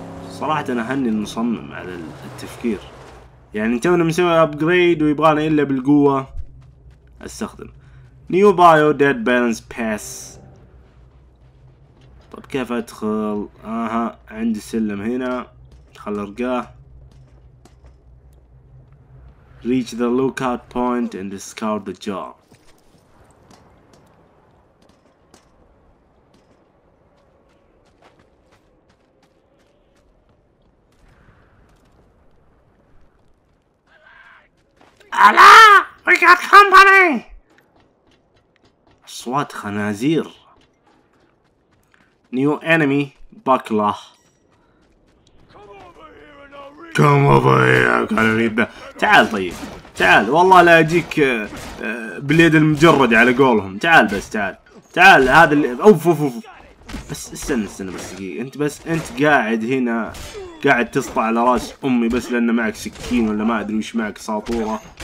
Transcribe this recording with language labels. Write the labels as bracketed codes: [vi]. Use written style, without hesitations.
[ar] صراحه انا هني المصمم على التفكير يعني. تونا مسوي ابجريد ويبغانا الا بالقوه استخدم [en] New bio ديد balance باس. [ar] طيب كيف ادخل؟ اها عندي سلم هنا خل ارقاه. [en] reach the lookout point and discover the jar. الله we got company. [ar] بس أصوات خنازير. [en] New enemy, Bakla. Come over here, gotta read that. [ar] تعال طيب. تعال والله لا يجيك باليد المجرد على قولهم. تعال بس تعال. تعال هذا اللي أوف أوف أوف. بس استنى استنى بس دقيقة. أنت بس أنت قاعد هنا قاعد تسطع على رأس أمي بس لأن معك سكين ولا ما أدري وش معك ساطورة.